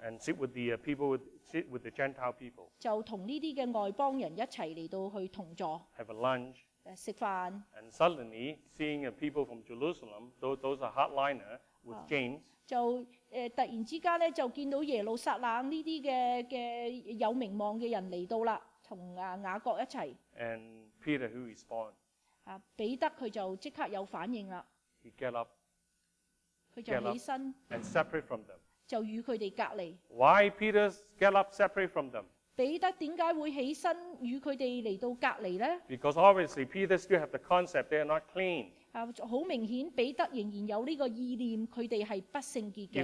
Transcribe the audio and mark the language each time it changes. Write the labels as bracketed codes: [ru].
[en] And sit with the people, sit with the Gentile people. [zh] 就跟这些外邦人一起来到去同坐。 [en] Have a lunch. [zh] 吃饭。 [en] And suddenly, seeing a people from Jerusalem, those are hardliner with James. [zh] 就突然之间呢，就见到耶路撒冷这些有名望的人来到了，跟雅各一起。 [en] And Peter, who responds? [zh] 彼得他就立刻有反應了。 [en] He get up. [zh] 他就起身。 [en] And separate from them. [zh] 就與他們隔離。 [en] Why Peter get up separate from them? [zh] 彼得為什麼會起身與他們來到隔離呢? [en] Because obviously Peter still have the concept they are not clean. [zh] 很明顯彼得仍然有這個意念，他們是不聖潔的。